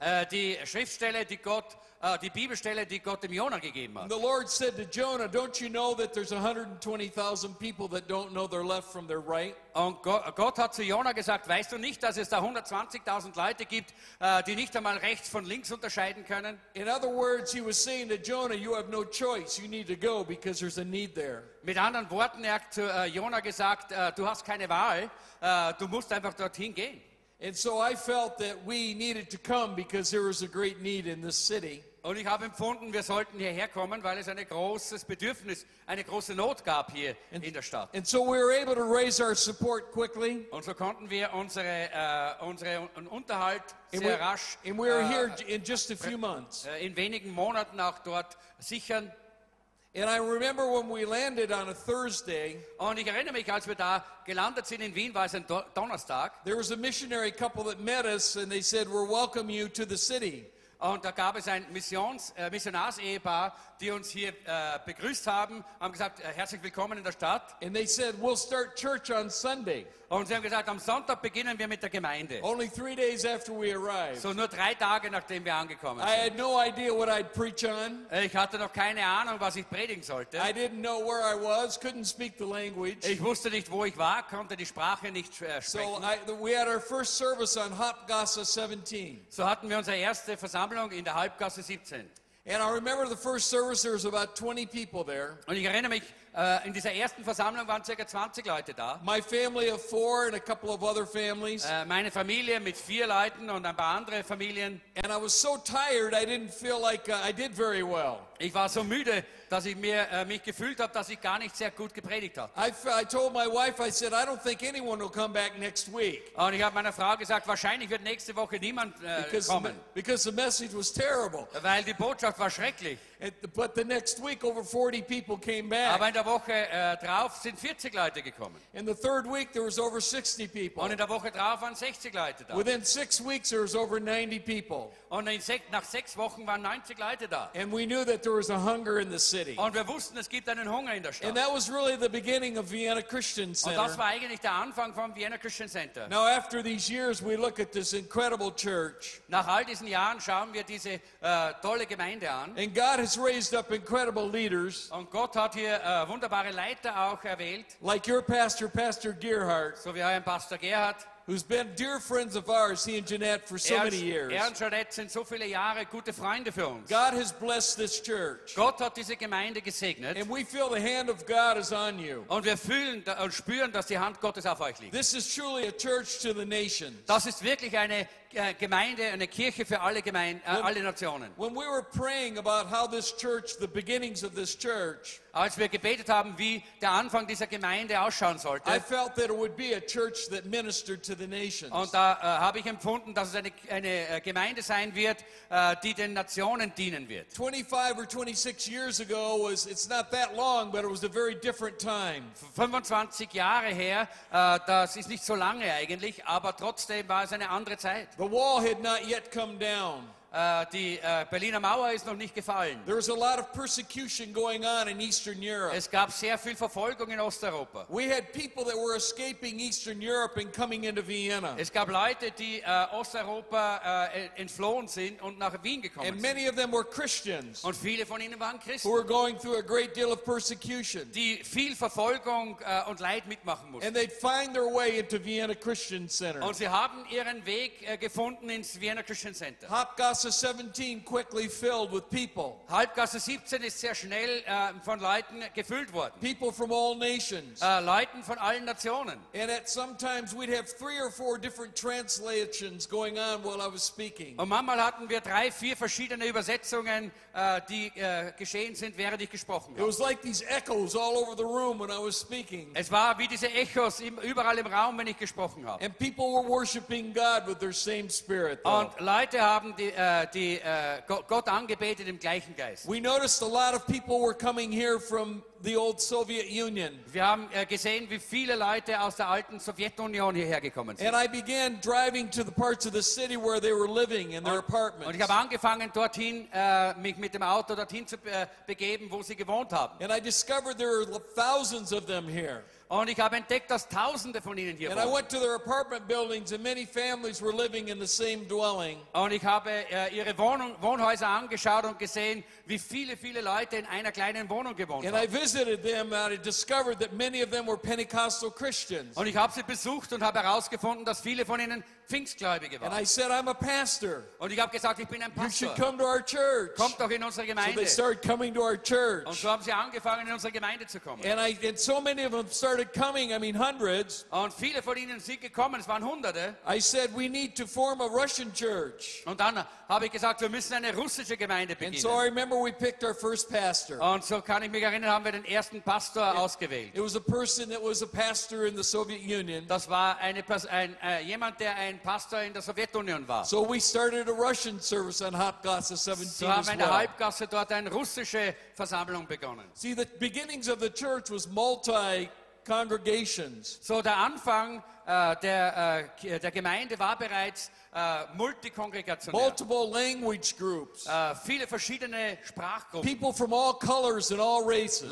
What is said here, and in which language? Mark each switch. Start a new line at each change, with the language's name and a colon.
German: Die Schriftstelle, die Gott die Bibelstelle, die Gott dem Jonah gegeben hat.
English: The Lord said to Jonah, "Don't you know that there's 120,000 people that don't know their left from their right?"
German: Und Gott hat zu Jonah gesagt, weißt du nicht, dass es da 120,000 Leute gibt, die nicht einmal rechts von links unterscheiden können?
English: In other words, he was saying to Jonah, "You have no choice. You need to go because there's a need there."
German: Mit anderen Worten, er hat zu Jonah gesagt, du hast keine Wahl, du musst einfach dorthin gehen.
English: And so I felt that we needed to come because there was a great need in this city.
German: Und ich habe empfunden, wir sollten hierher kommen, weil es ein großes Bedürfnis, eine große Not gab hier in der Stadt.
English: And so we were able to raise our support quickly.
German: Und so konnten wir unseren Unterhalt sehr rasch.
English: And we were here in just a few months.
German: In wenigen Monaten auch dort sichern.
English: And I remember when we landed on a Thursday.
German: Und ich erinnere mich, als wir da gelandet sind in Wien, war es ein Donnerstag.
English: There was a missionary couple that met us, and they said, "We're welcome you to the city."
German: Und da gab es ein Missionars-Ehepaar, die uns hier begrüßt haben, haben gesagt, herzlich willkommen in der Stadt.
English: And they said, "We'll start church on Sunday."
German: Und sie haben gesagt, am Sonntag beginnen wir mit der Gemeinde.
English: Only 3 days after we arrived.
German: So nur 3 Tage, nachdem wir angekommen sind.
English: I had no idea what I'd preach on.
German: Ich hatte noch keine Ahnung, was ich predigen sollte.
English: I didn't know where I was, couldn't speak the language.
German: Ich wusste nicht, wo ich war, konnte die Sprache nicht sprechen.
English: So we had our first service on Hauptgasse 17.
German: So hatten wir unsere erste Versammlung in der Hauptgasse 17.
English: And I remember the first service, there was about 20 people there.
German: Und ich erinnere mich, in dieser ersten Versammlung waren ca. 20 Leute da.
English: My family of 4 and a couple of other families.
German: Meine Familie mit 4 Leuten und ein paar andere Familien.
English: And I was so tired, I didn't feel like I did very well.
German: Ich war so müde, dass ich mich gefühlt habe, dass ich gar nicht sehr gut gepredigt habe.
English: I told my wife, I said, "I don't think anyone will come back next week."
German: Und ich habe meiner Frau gesagt, wahrscheinlich wird nächste Woche niemand kommen.
English: Because the message was terrible.
German: Weil die Botschaft war schrecklich.
English: But the next week, over 40 people came back.
German: Aber in der Woche drauf sind 40 Leute gekommen.
English: In the third week, there was over 60 people.
German: Und in der Woche drauf waren 60 Leute da.
English: Within 6 weeks, there was over 90 people.
German: Und nach 6 Wochen waren 90 Leute da.
English: And we knew that there was a hunger in the city.
German: Und wir wussten, es gibt einen Hunger in der Stadt.
English: And that was really the beginning of Vienna Christian Center.
German: Und das war eigentlich der Anfang vom Vienna Christian Center.
English: Now, after these years, we look at this incredible church.
German: Nach all diesen Jahren schauen wir diese tolle Gemeinde an.
English: And God has raised up incredible leaders.
German: Und Gott hat hier wunderbare Leiter auch erwählt.
English: Like your pastor, Pastor Gerhard.
German: So wie euer Pastor Gerhard.
English: Who's been dear friends of ours, he and Jeanette, for so many years.
German: Er und Jeanette sind so viele Jahre gute Freunde für uns.
English: God has blessed this church.
German: Gott hat diese Gemeinde gesegnet.
English: And we feel the hand of God is on you.
German: Und wir fühlen und spüren, dass die Hand Gottes auf euch liegt.
English: This is truly a church to the nations.
German: Das ist wirklich eine Gemeinde, eine Kirche für alle Gemeinden, alle Nationen.
English: When we were praying about how this church, the beginnings of this church,
German: als wir gebetet haben, wie der Anfang dieser Gemeinde ausschauen sollte,
English: I felt that it would be a church that ministered to the nations.
German: Und da habe ich empfunden, dass es eine Gemeinde sein wird, die den Nationen dienen wird.
English: 25 or 26 years ago was, it's not that long, but it was a very different time.
German: 25 Jahre her, das ist nicht so lange eigentlich, aber trotzdem war es eine andere Zeit.
English: The wall had not yet come down.
German: Die Berliner Mauer ist noch nicht gefallen.
English: There was a lot of persecution going on in Eastern Europe.
German: Es gab sehr viel Verfolgung in Osteuropa.
English: We had people that were escaping Eastern Europe and coming into Vienna.
German: Es gab Leute, die Osteuropa entflohen sind und nach Wien gekommen
English: and
German: sind.
English: Many of them were Christians.
German: Und viele von ihnen waren Christen.
English: Who were going through a great deal of persecution.
German: Die viel Verfolgung und Leid mitmachen mussten.
English: And they'd find their way into Vienna Christian Center.
German: Und sie haben ihren Weg gefunden ins Vienna Christian Center.
English: Hauptgasse 17 quickly filled with people.
German: Hauptgasse 17 ist sehr schnell von Leuten gefüllt worden.
English: People from all nations.
German: Leuten von allen Nationen.
English: And at sometimes we'd have 3 or 4 different translations going on while I was speaking.
German: Und manchmal hatten wir 3, 4 verschiedene Übersetzungen, die geschehen sind, während ich gesprochen habe.
English: It was like these echoes all over the room when I was speaking.
German: Es war wie diese Echos überall im Raum, wenn ich gesprochen habe.
English: And people were worshiping God with their same spirit. Though.
German: Und Leute haben Gott angebetet im gleichen Geist.
English: We noticed a lot of people were coming here from the old Soviet Union.
German: Wir haben gesehen, wie viele Leute aus der alten Sowjetunion hierher gekommen sind.
English: And I began driving to the parts of the city where they were living in their apartments.
German: Und ich habe angefangen dorthin mich mit dem Auto dorthin zu begeben, wo sie gewohnt haben.
English: And I discovered there are thousands of them here.
German: Und ich habe entdeckt, dass Tausende von ihnen hier waren.
English: I went to their apartment buildings and many families were living in the same dwelling.
German: Und ich habe ihre Wohnhäuser angeschaut und gesehen, wie viele, viele Leute in einer kleinen Wohnung gewohnt
English: and
German: haben.
English: I visited them and I discovered that many of them were Pentecostal Christians.
German: Und ich habe sie besucht und habe herausgefunden, dass viele von ihnen Pfingstgläubige waren.
English: And I said, "I'm a pastor."
German: Und ich habe gesagt, ich bin ein Pastor.
English: You should come to our church.
German: Kommt doch in unsere Gemeinde.
English: So they started coming to our church.
German: Und so haben sie angefangen, in unsere Gemeinde zu kommen.
English: And so many of them started started coming, I mean hundreds.
German: Und viele von ihnen sind gekommen, es waren hunderte.
English: I said we need to form a Russian church.
German: Und dann habe ich gesagt, wir müssen eine russische Gemeinde beginnen.
English: And so I remember we picked our first pastor.
German: Und so kann ich mich erinnern, haben wir den ersten Pastor ausgewählt.
English: It was a person that was a pastor in the Soviet Union.
German: Das war eine jemand, der ein Pastor in der Sowjetunion war.
English: So we started a Russian service on Hauptgasse 17 as well.
German: So haben wir in der Hauptgasse dort eine russische Versammlung begonnen.
English: See, the beginnings of the church was multi congregations.
German: So der Anfang der Gemeinde war bereits multikongregationell.
English: Multiple language groups.
German: Viele verschiedene Sprachgruppen.
English: People from all colors and all races.